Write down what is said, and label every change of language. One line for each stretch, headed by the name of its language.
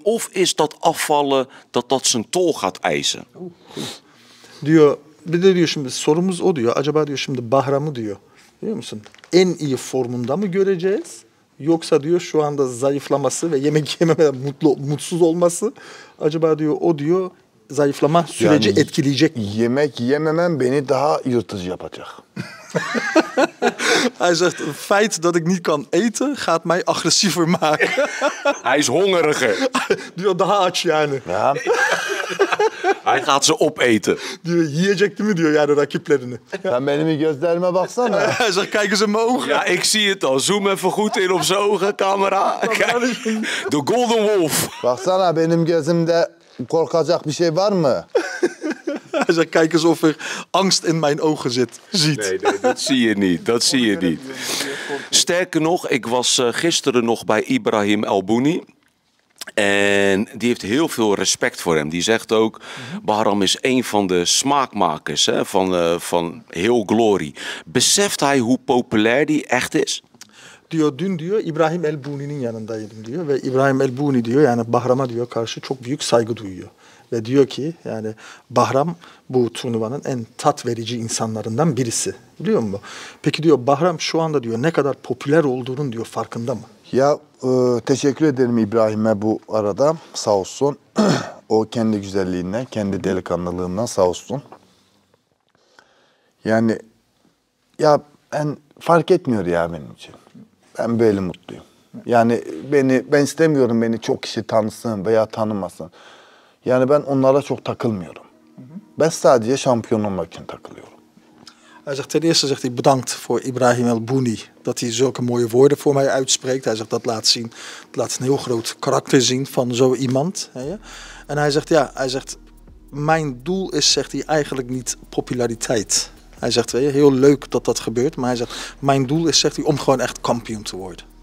Dutch: Of is dat afvallen dat zijn tol gaat eisen?
Turkish: Diyor, bir de diyor şimdi sorumuz o diyor. Acaba diyor şimdi Bahram'ı diyor, biliyor musun? En iyi formunda mı göreceğiz? Yoksa diyor şu anda zayıflaması ve yemek yememe mutsuz olması. Acaba diyor o diyor zayıflama süreci yani etkileyecek mi? Yemek yememem beni daha yırtıcı yapacak.
Dutch: Hij zegt, het feit dat ik niet kan eten gaat mij agressiever maken. Hij is hongeriger. Die had de haatje aan. Ja. Hij gaat ze opeten.
Turkish: Die yiyecektim diyor yani rakiplerini. Ben benim gözlerime baksana.
Dutch: Hij zegt, kijk eens in mijn ogen. Ja, ik zie het al. Zoom even goed in op zijn ogen, camera. Kijk.
English: The Golden Wolf.
Turkish: Baksana, benim gözümde korkacak bir şey var mı?
Dutch: Hij zegt, kijk eens of er angst in mijn ogen zit. Ziet. Nee, dat zie je niet. Dat zie je niet. Sterker nog, ik was gisteren nog bij Ibrahim Elbouni. En die heeft heel veel respect voor hem. Die zegt ook, Bahram is een van de smaakmakers, hè, van heel Glory. Beseft hij hoe populair die echt is?
Turkish: Diyor, dün diyor, Ibrahim Elbouni'nin yanındaydım diyor. Ve Ibrahim Elbouni diyor, yani Bahram'a diyor, karşı çok büyük saygı duyuyor. Ve diyor ki, yani Bahram bu turnuvanın en tat verici insanlarından birisi. Biliyor musun? Peki diyor, Bahram şu anda diyor, ne kadar popüler olduğunun diyor, farkında mı? Ya teşekkür ederim İbrahim'e bu arada. Sağ olsun. O kendi güzelliğinden, kendi delikanlılığından sağ olsun. Yani ya ben fark etmiyor ya benim için. Ben böyle mutluyum. Yani ben istemiyorum beni çok kişi tanısın veya tanımasın. Yani ben onlara çok takılmıyorum. Ben sadece şampiyon olmak için takılıyorum.
Dutch: Hij zegt, ten eerste zegt hij bedankt voor Ibrahim Elbouni. Dat hij zulke mooie woorden voor mij uitspreekt. Hij zegt, dat laat zien, dat laat een heel groot karakter zien van zo iemand. En hij zegt, ja, hij zegt, mijn doel is, zegt hij, eigenlijk niet populariteit. Hij zegt, heel leuk dat dat gebeurt. Maar hij zegt, mijn doel is, zegt hij, om gewoon echt kampioen te worden.